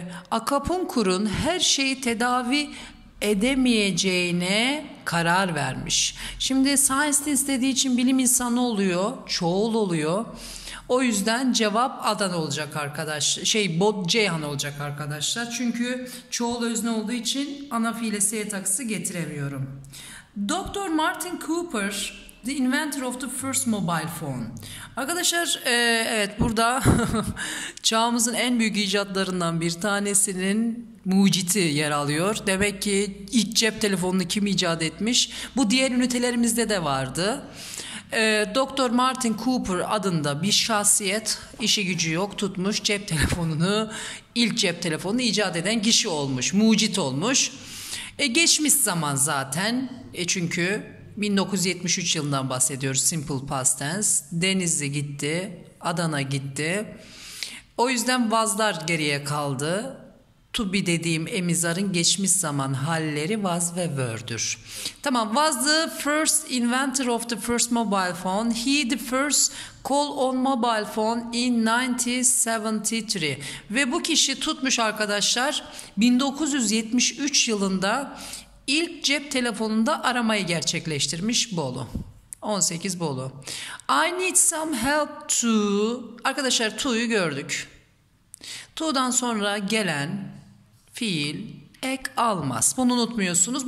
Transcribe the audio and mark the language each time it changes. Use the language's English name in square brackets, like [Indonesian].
[Turkish] Akupunktürün her şeyi tedavi edemeyeceğine karar vermiş. Şimdi scientist dediği için bilim insanı oluyor, çoğul oluyor. O yüzden cevap Adan olacak arkadaşlar. Ceyhan olacak arkadaşlar. Çünkü çoğul özne olduğu için ana fiile s takısı getiremiyorum. [English] Dr. Martin Cooper, the inventor of the first mobile phone. [Turkish] Arkadaşlar evet, burada çağımızın en büyük icatlarından bir tanesinin mucidi yer alıyor. Demek ki ilk cep telefonunu kim icat etmiş? Bu diğer ünitelerimizde de vardı. Dr. Martin Cooper adında bir şahsiyet, işi gücü yok, tutmuş cep telefonunu, ilk cep telefonunu icat eden kişi olmuş, mucit olmuş. Geçmiş zaman zaten, çünkü 1973 yılından bahsediyoruz, simple past tense. Denizli gitti, Adana gitti. O yüzden vazlar geriye kaldı. To be dediğim emizarın geçmiş zaman halleri was ve were'dür. [English] Tamam, was the first inventor of the first mobile phone. He the first call on mobile phone in 1973. [Turkish] Ve bu kişi tutmuş arkadaşlar 1973 yılında ilk cep telefonunda aramayı gerçekleştirmiş Bolu. [English] 18 Bolu. I need some help to... [Turkish] Arkadaşlar to'yu gördük. To'dan sonra gelen fiil ek almaz. Bunu unutmuyorsunuz.